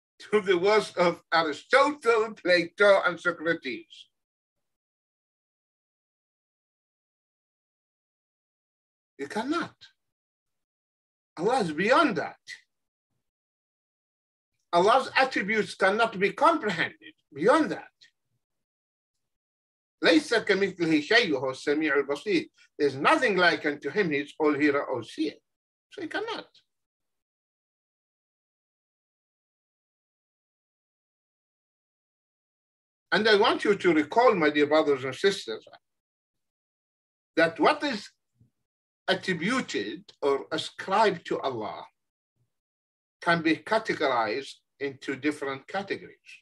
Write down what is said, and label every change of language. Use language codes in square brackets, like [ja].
[en] To the works of Aristotle, Plato, and Socrates. You cannot. Allah is beyond that. Allah's attributes cannot be comprehended beyond that. [ar] ليس كمثله شيء وهو السميع البصير. [en] There's nothing like unto Him. He's all hearer, all seer. So He cannot. And I want you to recall, my dear brothers and sisters, that what is attributed or ascribed to Allah can be categorized into different categories.